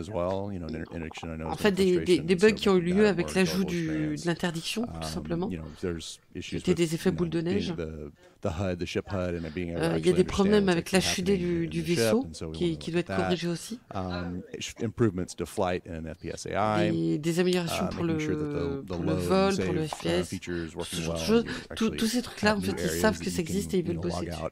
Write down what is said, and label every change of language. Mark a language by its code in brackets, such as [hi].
[fr] En fait, des bugs qui ont eu lieu avec l'ajout de l'interdiction, tout simplement. C'était des effets boule de neige. Il y a des problèmes avec l'HUD du vaisseau qui doit être corrigé aussi. [en] Improvements to flight and FPS AI. [fr] Des améliorations pour le vol, pour le FPS. Tous ces trucs-là, en fait, ils savent que ça existe et ils veulent bosser.